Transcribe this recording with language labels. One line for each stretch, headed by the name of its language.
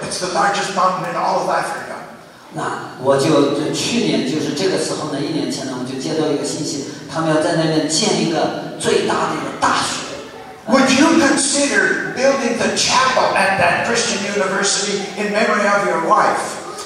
English: It's the largest mountain in all of Africa.
Chinese: 那我就去年就是这个时候呢，一年前呢，我就接到一个信息，他们要在那边建一个最大的一个大学。
English: Would you consider building the chapel at that Christian university in memory of your wife?